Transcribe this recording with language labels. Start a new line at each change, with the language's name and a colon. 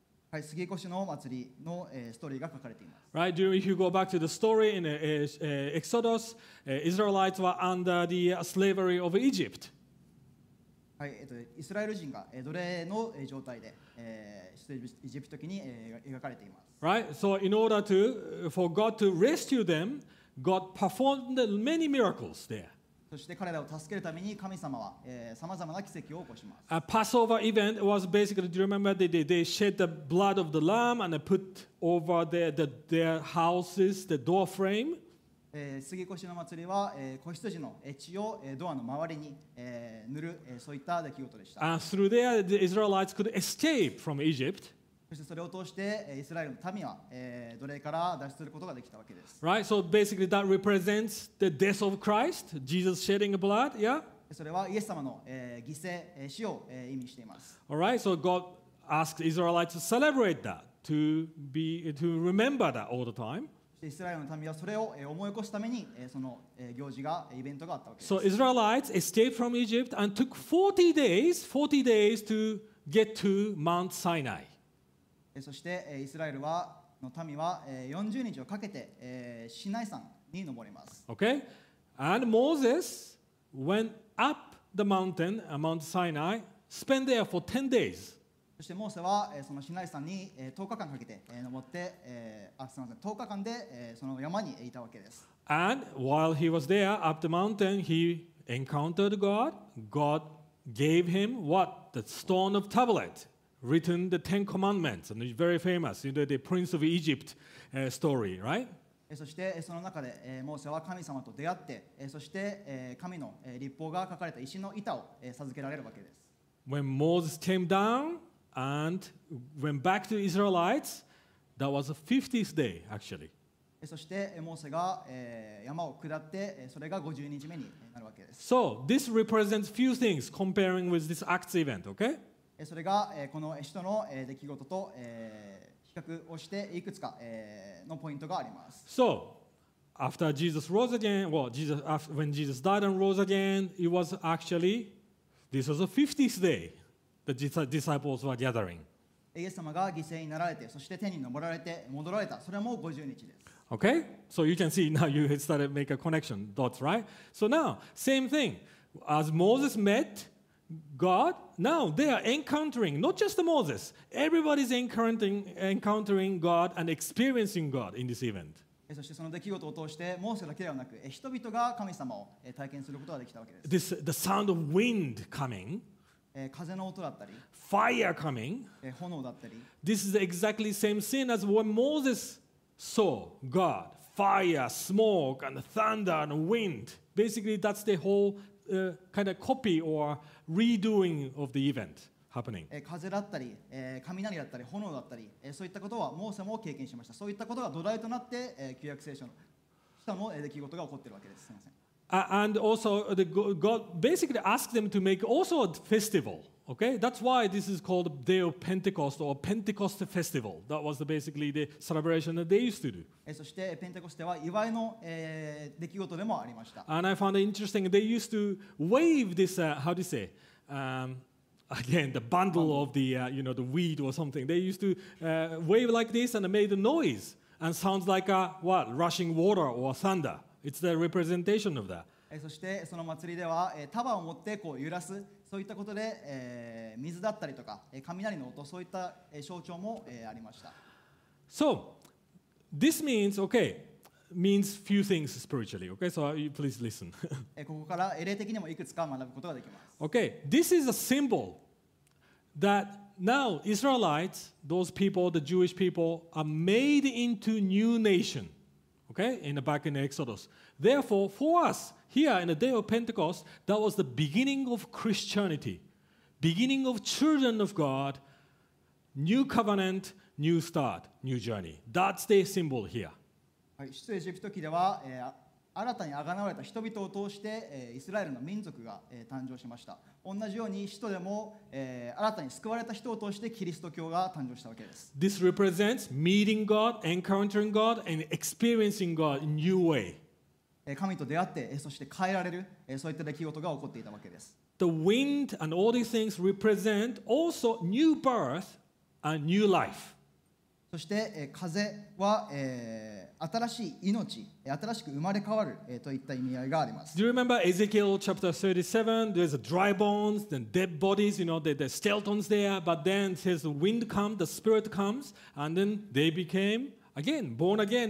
Japanese: はい、杉越の祭りの、ストーリーが書かれています。
English: Right, if you go back to the story in Exodus, Israelites were under the slavery of Egypt.
Japanese: はい、イスラエル人が奴隷の状態で、出エジプト記に、描かれています。
English: Right, so in order to, for God to rescue them, God performed many miracles there.
Japanese: そして彼らを助けるために神様は、様々な奇跡を起こします。
English: A Passover event was basically, do you remember, they shed the blood of the lamb and put over their houses, the door frame?
Japanese: 杉越の祭りは、子羊の血を、ドアの周りに、塗る、そういった出来事でした。
English: And through there, the Israelites could escape from Egypt.
Japanese: そしてそれを通して、イスラエルの民は、奴隷から脱出することができたわけです。
English: Right, so basically that represents the death of Christ, Jesus shedding blood, yeah?
Japanese: それはイエス様の、犠牲、死を、意味しています。
English: Alright, so God asked Israelites to celebrate that, to remember that all the time.
Japanese: イスラエルの民はそれを思い起こすためにその行事がイベントがあったわけです。
English: So Israelites escaped from Egypt and took 40 days to get to Mount Sinai.
Japanese: そしてイスラエルはの民は40日をかけてシナイ山に登ります。
English: Okay, and Moses went up the mountain, Mount Sinai, spent there for 10 days.
Japanese: そしてモーセはそのシナイ山に10日間かけて登って、10日間でその山にいたわけです。
English: And while he was there up the mountain, he encountered God. God gave him what? The stone of tablet, written the Ten Commandments, and it's very famous, you know, the Prince of Egypt story, right?
Japanese: そしてその中でモーセは神様と出会って、そして神の律法が書かれた石の板を授けられるわけです。
English: When Moses came down,And went back to Israelites. That was the 50th day, actually.
Japanese: そしてモーセが山を下って、それが50日目になるわけです。
English: So this represents few things comparing with this Acts event, okay?
Japanese: それがこの使徒の出来事と比較をしていくつかのポイントがあります。
English: So after Jesus rose again, well, Jesus after, when Jesus died and rose again, it was actually this was the 50th day. The disciples were gathering.
Japanese: イエス様が犠牲になられて、そして天に昇られて戻られた。それも50日です。
English: Okay, so you can see now you started to make a connection dots, right? So now, same thing. As Moses met God, now they are encountering, not just Moses, everybody's encountering God and experiencing God in this event.
Japanese: そしてその出来事を通してモーセだけではなく、人々が神様を体験することができたわけです。
English: This, the sound of wind coming.
Japanese: 風の音だったり、
English: Fire coming.
Japanese: 炎だったり。
English: This is exactly the same scene as when Moses saw God. Fire, smoke, and thunder, and wind. Basically, that's the whole kind of copy or redoing of the event happening.
Japanese: 風だったり、雷だったり、炎だったり、そういったことはモーセも経験しました。そういったことが土台となって、旧約聖書の下の出来事が起こっているわけです。すみません。
English: And also, the God basically asked them to make also a festival. Okay, that's why this is called Day of Pentecost or Pentecost Festival. That was basically the celebration that they used to do.
Japanese: そしてペンテコステは祝いの出来事でもありました。
English: And I found it interesting. They used to wave this, how do you say, again, the bundle of the, you know, the weed or something. They used to wave like this and made a noise and sounds like a, what, rushing water or thunder. It's the representation of that.
Japanese: そしてその祭りでは束を持ってこう揺らすそういったことで水だったりとか雷の音そういった象徴もありました。
English: So this means okay means few things spiritually. Okay, so please listen.
Japanese: ここから霊的にもいくつか学ぶことができます。
English: Okay, this is a symbol that now Israelites, those people, the Jewish people, are made into new nation. Okay, in the back in the Exodus. Therefore, for us here in the day of Pentecost, that was the beginning of Christianity, beginning of children of God, new covenant, new start, new journey. That's the symbol here.
Japanese: 出エジプト記では、新たに贖われた人々を通して、イスラエルの民族が、誕生しました。同じように使徒でも、新たに救われた人を通してキリスト教が誕生したわけです。
English: This represents meeting God, encountering God, and experiencing God in new way.
Japanese: 神と出会って、そして変えられる、そういった出来事が起こっていたわけです。
English: The wind and all these things represent also new birth and new life.
Japanese: そして風は新しい命、新しく生まれ変わるといった意味合いがあります。
English: Do you remember Ezekiel chapter 37? There's dry bones, then dead bodies, you know, the skeletons there. But then it says the wind comes, the spirit comes, and then they became again, born again.